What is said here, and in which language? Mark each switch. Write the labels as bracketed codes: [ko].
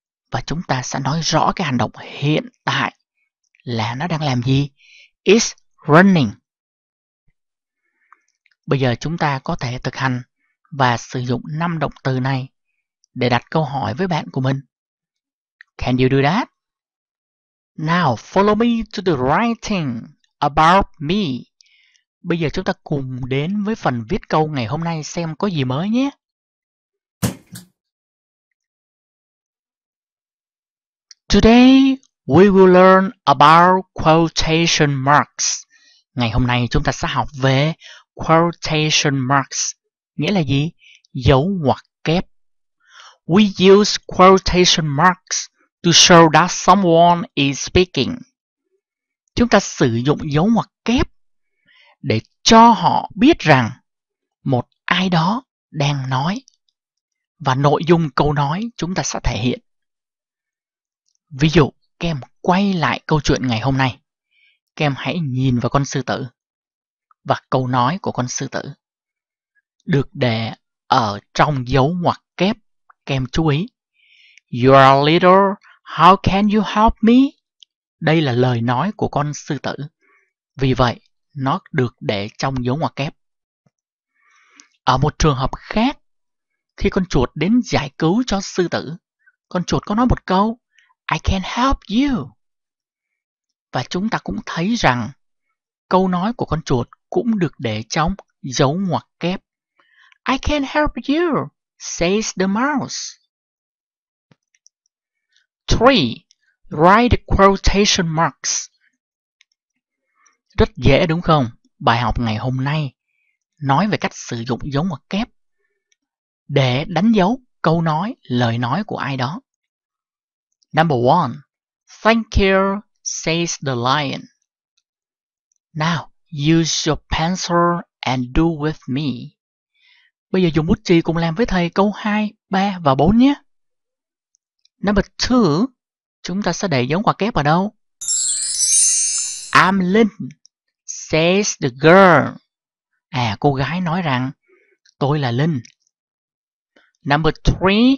[vi] Và chúng ta sẽ nói rõ cái hành động hiện tại là nó đang làm gì. [en] It's running. [vi] Bây giờ chúng ta có thể thực hành và sử dụng 5 động từ này để đặt câu hỏi với bạn của mình. [en] Can you do that? Now, follow me to the writing about me. [vi] Bây giờ chúng ta cùng đến với phần viết câu ngày hôm nay xem có gì mới nhé. [en] Today, we will learn about quotation marks. [vi] Ngày hôm nay, chúng ta sẽ học về quotation marks. Nghĩa là gì? Dấu ngoặc kép. [en] We use quotation marks to show that someone is speaking. [vi] Chúng ta sử dụng dấu ngoặc kép để cho họ biết rằng một ai đó đang nói. Và nội dung câu nói chúng ta sẽ thể hiện. Ví dụ, các em quay lại câu chuyện ngày hôm nay. Các em hãy nhìn vào con sư tử và câu nói của con sư tử được để ở trong dấu ngoặc kép. Các em chú ý. [en] You are little, how can you help me? [vi] Đây là lời nói của con sư tử. Vì vậy, nó được để trong dấu ngoặc kép. Ở một trường hợp khác, khi con chuột đến giải cứu cho sư tử, con chuột có nói một câu. [en] I can help you. [vi] Và chúng ta cũng thấy rằng câu nói của con chuột cũng được để trong dấu ngoặc kép. [en] I can help you, says the mouse. [vi] 3. [en] Write quotation marks. [vi] Rất dễ đúng không? Bài học ngày hôm nay nói về cách sử dụng dấu ngoặc kép để đánh dấu câu nói, lời nói của ai đó. [en] Number 1. Thank you, says the lion. Now, use your pencil and do with me. [vi] Bây giờ dùng bút chì cùng làm với thầy câu 2, 3 và 4 nhé. [en] Number 2. [vi] Chúng ta sẽ để dấu ngoặc kép ở đâu? [en] I'm Lynn, says the girl. [vi] À, cô gái nói rằng tôi là Lynn. [en] Number 3.